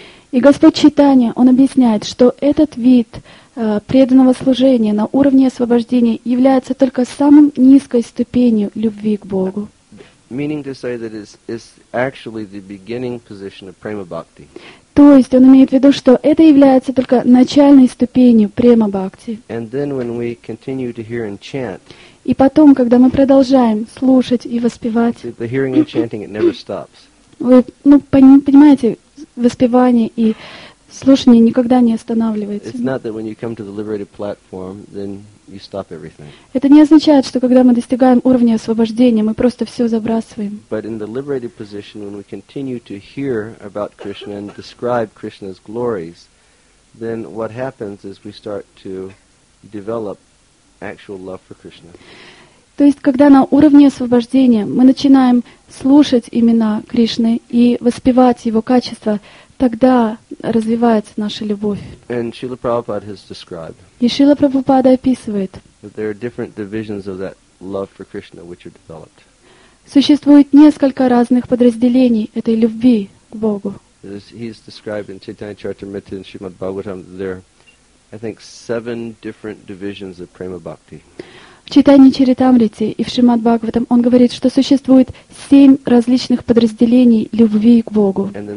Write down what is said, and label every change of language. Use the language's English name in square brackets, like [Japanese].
[Russian] И Господь Чайтанья, Он объясняет, что этот вид преданного служения на уровне освобождения является только самым низкой ступенью любви к Богу. [English] Meaning to say that it's actually the beginning position of prema bhakti. [Russian] То есть он имеет в виду, что это является только начальной ступенью према бхакти. [English] And then when we continue to hear and chant, [Russian] и потом, когда мы продолжаем слушать и воспевать, [English] the hearing and chanting, it never stops. [Russian] Вы, понимаете, воспевание и слушание никогда не останавливается. [English] It's not that when you come to the liberated platform, then you stop everything. [Russian] Это не означает, что когда мы достигаем уровня освобождения, мы просто все забрасываем. [English] But in the liberated position, when we continue to hear about Krishna and describe Krishna's glories, then what happens is we start to develop actual love for Krishna. [Russian] То есть, когда на уровне освобождения мы начинаем слушать имена Кришны и воспевать Его качества, тогда развивается наша любовь. [English] And Srila Prabhupada has described, [Russian] и Шрила Прабхупада описывает, [English] that there are different divisions of that love for Krishna which are developed. [Russian] Существует несколько разных подразделений этой любви к Богу. [English] He's described in Chaitanya Charitamrita and Srimad Bhagavatam, there are, I think, 7 different divisions of prema bhakti. [Russian] В Чайтанье Чаритамрите и в Шримад Бхагаватам он говорит, что существует 7 различных подразделений любви к Богу.